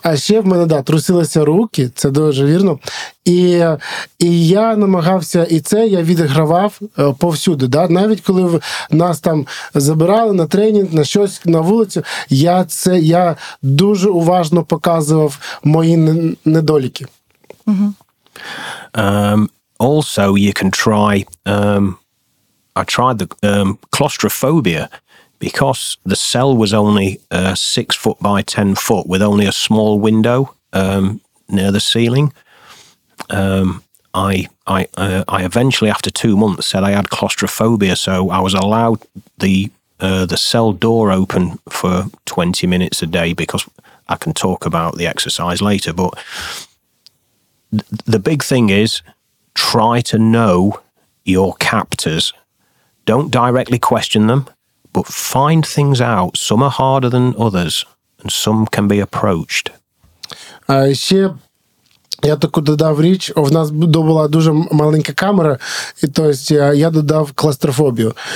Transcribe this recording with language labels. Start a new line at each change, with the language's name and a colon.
Ukrainian: А ще в мене, трусилися руки, це дуже вірно. І я намагався, і це я відігравав повсюди. Да? Навіть коли нас там забирали на тренінг, на щось, на вулицю, я дуже уважно показував мої недоліки.
English: Also, you can try, I tried the claustrophobia, because the cell was only 6 foot by 10 foot, with only a small window near the ceiling. I eventually, after 2 months, said I had claustrophobia, so I was allowed the cell door open for 20 minutes a day, because I can talk about the exercise later. But the big thing is, try to know your captors. Don't directly question them, but find things out. Some are harder than others, and some can be approached.
Ukrainian: Я таку додав річ, в нас була дуже маленька камера, і то есть, я додав кластрофобію.